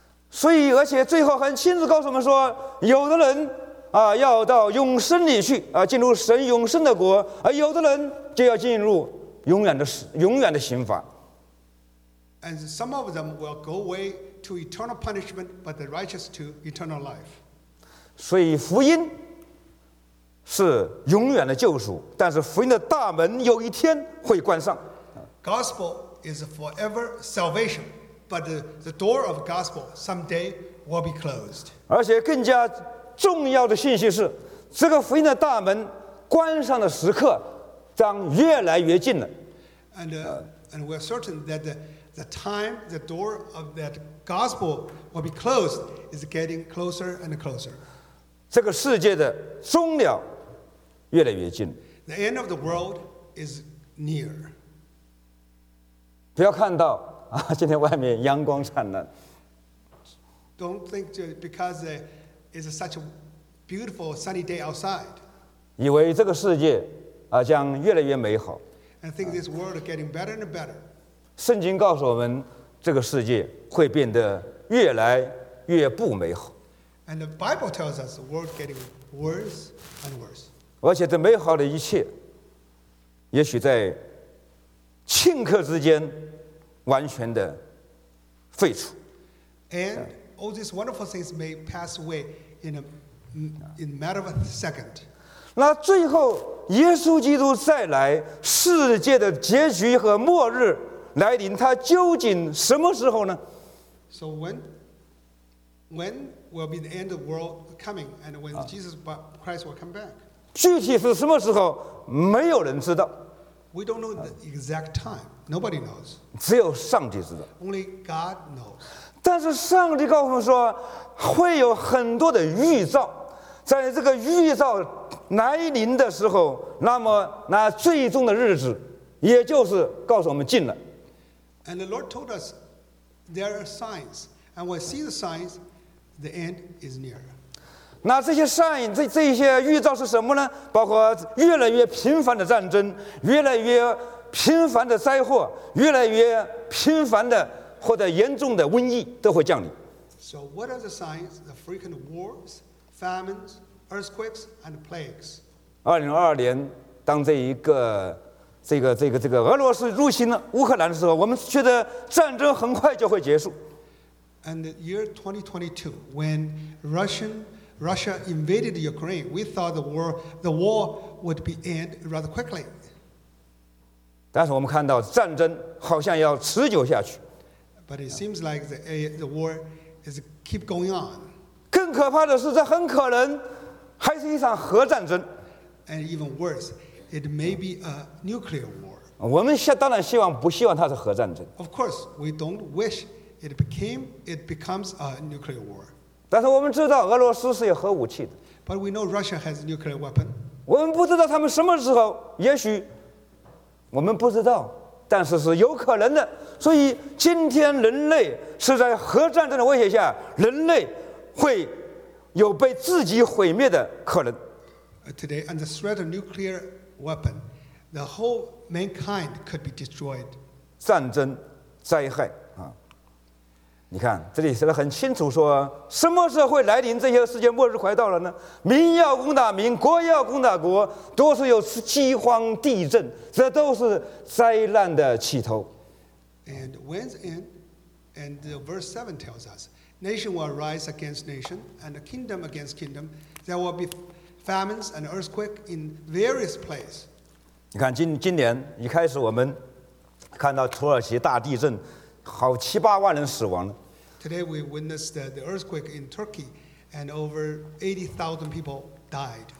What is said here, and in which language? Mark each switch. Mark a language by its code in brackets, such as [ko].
[zh] 所以，而且最后还亲自告诉我们说，有的人啊要到永生里去啊，进入神永生的国；而有的人就要进入永远的刑罚。 [en] And some of them will go away to eternal punishment, but the righteous to eternal life. [zh] 所以福音是永远的救赎，但是福音的大门有一天会关上。 [en] Gospel is forever salvation, but the door of gospel someday will be closed. [zh] 而且更加重要的信息是，这个福音的大门关上的时刻将越来越近了。 [en] And we're certain that the time the door of that gospel will be closed is getting closer and closer. [zh] 这个世界的终了越来越近。 [en] The end of the world is near. [zh] 不要看到啊，今天外面阳光灿烂。 [en] Don't think because it's such a beautiful sunny day outside. [zh] 以为这个世界啊将越来越美好。 [en] And think this world is getting better and better. [zh] 圣经告诉我们，这个世界会变得越来越不美好。 [en] And the Bible tells us the world getting worse and worse. [zh] 而且这美好的一切，也许在顷刻之间完全的废除。 [en] And all these wonderful things may pass away in a matter of a second. [zh] 那最后，耶稣基督再来，世界的结局和末日。来临，他究竟什么时候呢 [en] ？So when will be the end of the world coming, and when Jesus Christ will come back? [zh] 具体是什么时候，没有人知道。 [en] We don't know the exact time. Nobody knows. [zh] 只有上帝知道。 [en] Only God knows. [zh] 但是上帝告诉我们说，会有很多的预兆，在这个预兆来临的时候，那么那最终的日子，也就是告诉我们近了。 [en] And the Lord told us there are signs, and when we see the signs, the end is near. [zh] 那这些 sign, 这些预兆是什么呢？包括越来越频繁的战争，越来越频繁的灾祸，越来越频繁的或者严重的瘟疫都会降临。 [en] So what are the signs? The frequent wars, famines, earthquakes, and plagues. [zh] 2022年当这一个。这个俄罗斯入侵了乌克兰的时候，我们觉得战争很快就会结束。 [en] And the year 2022, when Russia invaded Ukraine, we thought the war would be end rather quickly. [zh] 但是我们看到战争好像要持久下去。 [en] But it seems like the war is keep going on. [zh] 更可怕的是，这很可能还是一场核战争。 [en] And even worse. It may be a nuclear war. [zh] 我们当然希望不希望它是核战争。 [en] Of course, we don't wish it becomes a nuclear war. [zh] 但是我们知道俄罗斯是有核武器的。 [en] But we know Russia has a nuclear weapon. [zh] 我们不知道他们什么时候，也许我们不知道，但是是有可能的。所以今天人类是在核战争的威胁下，人类会有被自己毁灭的可能。 [en] Today, under the threat of nuclear. Weapon, the whole mankind could be destroyed. [zh] 战争灾害啊！你看，这里写的很清楚说，说什么时候会来临这些世界末日快到了呢？民要攻打民，国要攻打国，多数有饥荒、地震，这都是灾难的起头。 [en] And when's end? And verse 7 tells us, nation will rise against nation, and a kingdom against kingdom. There will be famines and earthquake in various places. [zh] 你看今年一开始我们看到土耳其大地震，好七八万人死亡了。 [en] Today we witnessed the earthquake in Turkey, and over 80,000 people died.